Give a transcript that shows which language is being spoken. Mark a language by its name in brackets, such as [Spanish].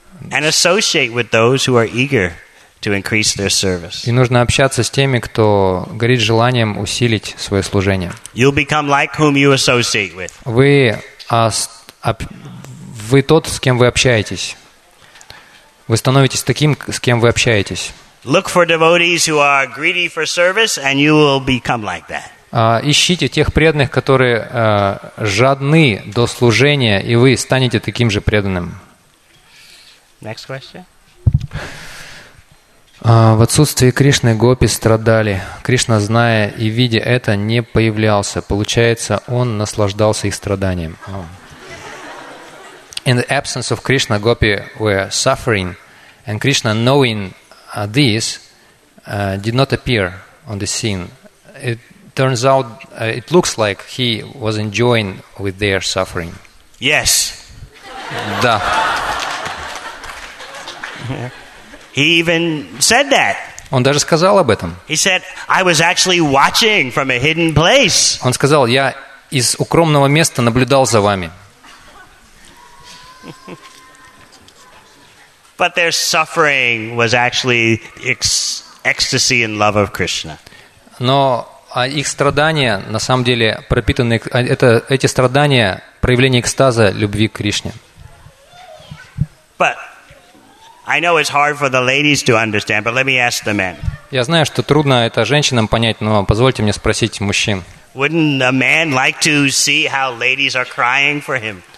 [English] And associate with those who are eager to increase their service. [Russian] И нужно общаться с теми, кто горит желанием усилить свое служение. [English] You'll become like whom you associate with. [Russian] Вы тот, с кем вы общаетесь. Вы становитесь таким, с кем вы общаетесь. [English] Look for devotees who are greedy for service, and you will become like that. [Russian] Ищите тех преданных, которые жадны до служения, и вы станете таким же преданным. [English] Next question. [Russian] В отсутствии Кришны гопи страдали. Кришна, зная и видя это, не появлялся. Получается, он наслаждался их страданием. [English] In the absence of Krishna, gopi were suffering, and Krishna, knowing this, did not appear on the scene. It turns out, it looks like he was enjoying with their suffering. Yes. [Russian] Да. [English] He even said that. [Russian] Он даже сказал об этом. [English] He said, "I was actually watching from a hidden place." [Russian] Он сказал, я из укромного места наблюдал за вами. [English] But their suffering was actually ecstasy and love of Krishna. [Russian] Но их страдания на самом деле пропитаны эти страдания проявление экстаза любви к Кришне. [English] But I know it's hard for the ladies to understand, but let me ask the men. [Russian] Я знаю, что трудно это женщинам понять, но позвольте мне спросить мужчин. [English] Wouldn't a man like to see how ladies are crying for him?